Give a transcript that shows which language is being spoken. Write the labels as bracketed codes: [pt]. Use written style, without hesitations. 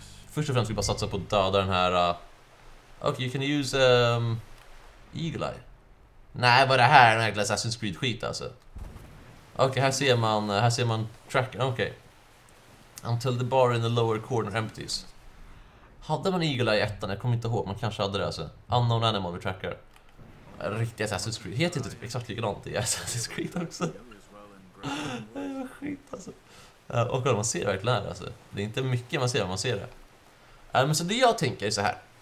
[sv] Först och främst vill vi bara satsa på att döda den här... [en] Okay, you can use Eagle Eye. [sv] Nej, vad är det här? Den här Assassin's Creed skit alltså. Okej, här ser man tracken, okej. Okay. [en] Until the bar in the lower corner empties. [sv] Hade man Eagle Eye i ettan? Jag kommer inte ihåg, man kanske hade det alltså. [en] Unknown animal we tracker. [sv] Riktig Assassin's Creed, heter inte typ exakt likadant i Assassin's Creed också. Nej, vad skit alltså. Och kolla, man ser verkligen här alltså. Det är inte mycket man ser, men man ser det. Men så det jag tänker är så här.